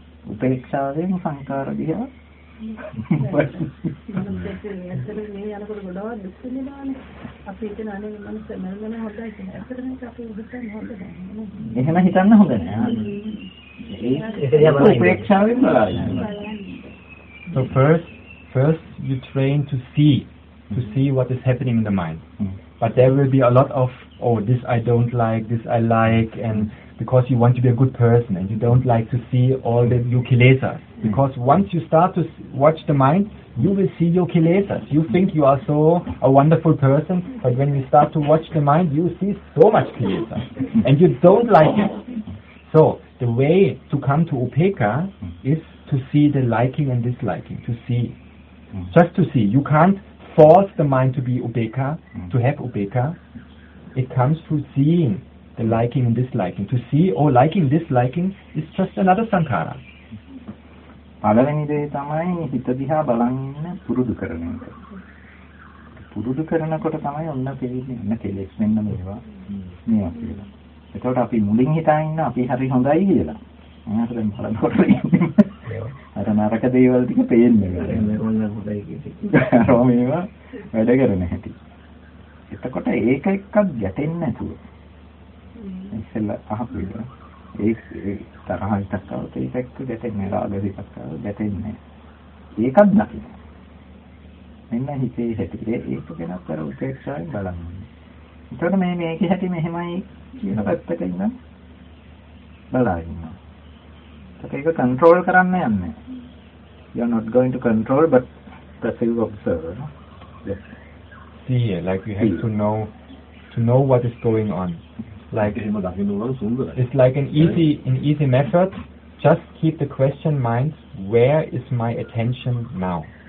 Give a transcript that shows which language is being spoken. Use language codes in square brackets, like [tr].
[si] උපේක්ෂාවෙන් සංකාර දිහා එහෙම හිතන්න හොඳ නෑ. උපේක්ෂාවෙන් [en] බලන්න. So first you train to see what is happening in the mind. But there will be a lot of this I don't like, this I like, and because you want to be a good person and you don't like to see all the your kilesas. Because once you start to watch the mind, you will see your kilesas. You think you are so a wonderful person, but when you start to watch the mind, you see so much kilesas and you don't like it. So the way to come to upekha is to see the liking and disliking, to see, just to see. You can't force the mind to be upekha, to have upekha. It comes through seeing the liking and disliking. To see, liking, disliking is just another sankhara. [si] පළවෙනි දේ තමයි හිත දිහා බලන්න පුරුදු කරන එක. පුරුදු කරනකොට තමයි ඔන්න පිළිගන්නේ ඔන්න කෙලෙස් මෙන්න මේවා මේවා කියලා. එතකොට අපි මුලින් හිතා ඉන්න අපි හරි හොඳයි කියලා. එහෙනම් දැන් බලනකොට අර නරක දේවල් ටික පේන්නේ නැහැ. ඔන්න හොඳයි කියලා. අරම මේවා වැඩ කරන්නේ නැහැ. එතකොට ඒක එක්ක ගැටෙන්නේ නැතුව ඉස්සෙල්ලා අහපු එක ඒක තරහ හිතක් අවුත් ඒක එක්ක ගැටෙන්නේ රාග දෙකක් අවුත් ගැටෙන්නේ ඒකත් නැති මෙන්න හිතේ හැටි ඒක ගැන කර උපේක්ෂාවෙන් බලන්න. එතකොට මේක හැටි මෙහෙමයි කියන පැත්තක ඉඳන් බලා ඉන්නවා. ඒක කන්ට්‍රෝල් කරන්න යන්නේ. [en] You are not going to control but passive observer. No? Yes. See, like you have to know what is going on. Like it's like an easy method. Just keep the question mind, where is my attention now?